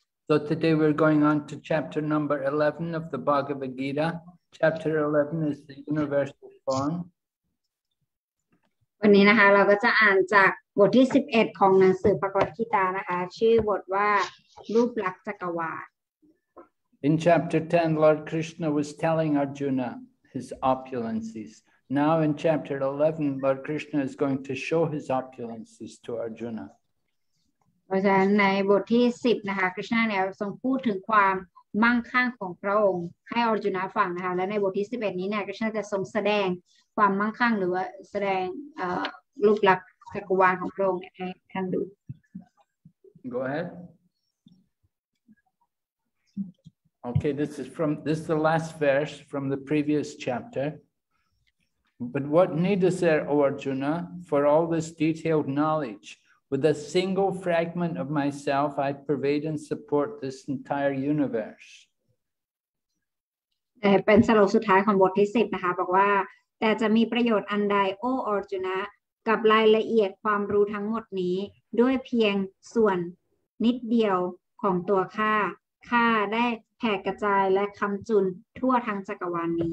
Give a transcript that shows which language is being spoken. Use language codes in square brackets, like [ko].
[en] So today we're going on to chapter number 11 of the Bhagavad Gita. Chapter 11 is the universal form. [th] วันนี้นะคะเราก็จะอ่านจากบทที่11ของหนังสือภควัตกีตานะคะชื่อบทว่ารูปลักษณ์จักรวาล [en] In chapter 10 Lord Krishna was telling Arjuna his opulences. Now in chapter 11 Lord Krishna is going to show his opulences to Arjuna. [th] เพราะฉะนั้นในบทที่10นะคะคริชนาเนี่ยทรงพูดถึงความมั่งคั่งของพระองค์ให้อาร์จุนะฟังนะคะและในบทที่11นี้เนี่ยคริชนาจะทรงแสดงความมั่งคั่งหรือว่าแสดงรูปลักษณ์จักรวาลของพระองค์ให้ท่านดู [en] Go ahead Okay this is from this is the last verse from the previous chapter But what need is there O Arjuna for all this detailed knowledge With a single fragment of myself I pervade and support this entire universe [th] เป็นสรุปสุดท้ายของบทที่10นะคะบอกว่าแต่จะมีประโยชน์อันใดโออาร์จุนะกับรายละเอียดความรู้ทั้งหมดนี้ด้วยเพียงส่วนนิดเดียวของตัวข้าข้าได้แผ่กระจายและคำจุนทั่วทั้งจักรวาลนี